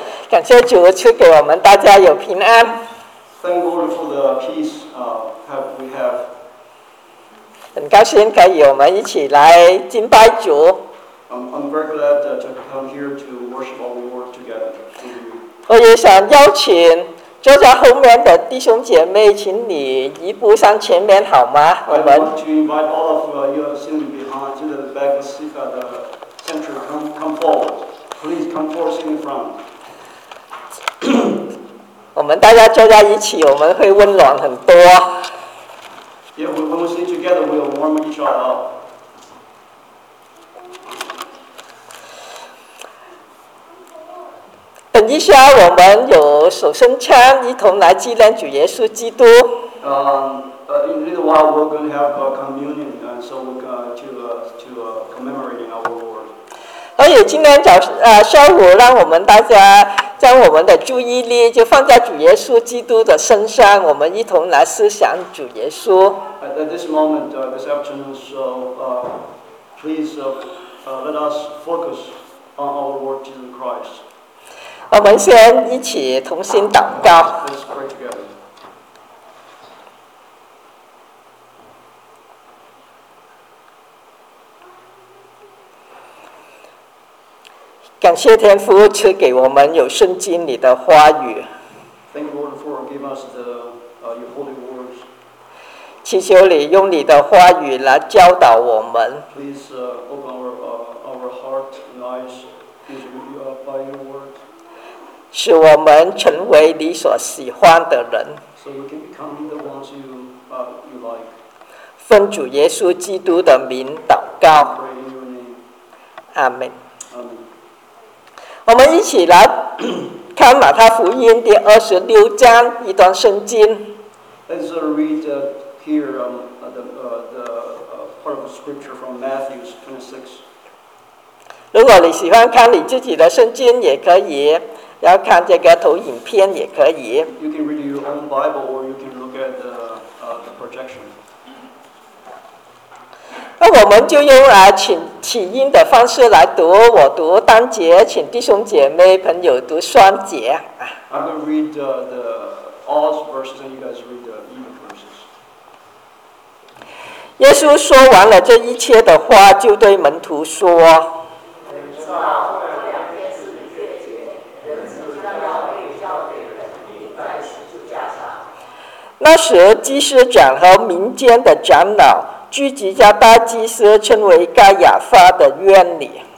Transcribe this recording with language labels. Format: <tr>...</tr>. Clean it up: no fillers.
<zh>感谢主赐给我们大家有平安。</zh> <en>Thank God for the peace we have.</en> <zh>很高兴可以我们一起来敬拜主。</zh> <en>I'm very glad to come here to worship our Lord together.</en> <zh>我也想邀请坐在后面的弟兄姐妹，请你移步上前面好吗？我们。</zh> <en>I want to invite all of you sitting behind, in the back seat at the center, come forward. Please come forward, sit in front.</en> <zh>我们大家坐在一起，我们会温暖很多。</zh> <en>Yeah, when we sit together, we'll warm each other up.</en> <zh>等一下，我们有手声枪，一同来纪念主耶稣基督。</zh> <en>In a little while, we're going to have a communion, and so we're going to commemorating our Lord.</en> <zh>而且今天早下午，让我们大家将我们的注意力就放在主耶稣基督的身上，我们一同来思想主耶稣。</zh> <en>At this moment, this afternoon, so please let us focus on our Lord Jesus Christ.</en> <zh>我们先一起同心祷告。</zh> <en>Let's pray together.</en> <zh>感谢天父赐给我们有圣经里的话语。</zh> <en>Thank you, Lord, for giving us the your holy words.</en> <zh>祈求你用你的话语来教导我们。</zh> <en>Please open our heart and eyes. Please open you up by your word.</en> <zh>使我们成为你所喜欢的人。</zh> <en>So we can become the ones you like.</en> <zh>奉主耶稣基督的名祷告。</zh> <en>Pray in your name.</en> <zh>阿门。我们一起来看马太福音第二十六章一段圣经。</zh> <en>Let's read here the part of scripture from Matthew 26.</en> <zh>如果你喜欢看你自己的圣经也可以，要看这个投影片也可以。</zh> <en>You can read your own Bible or you can look at the projection.</en> <zh>那我们就用来请起音的方式来读，我读单节，请弟兄姐妹朋友读双节。</zh> <en>I'm going to read the all verses and you guys read the even verses.</en> <zh>耶稣说完了这一切的话，就对门徒说。那时祭司长和民间的长老聚集在大祭司称为盖亚法的院里。</zh>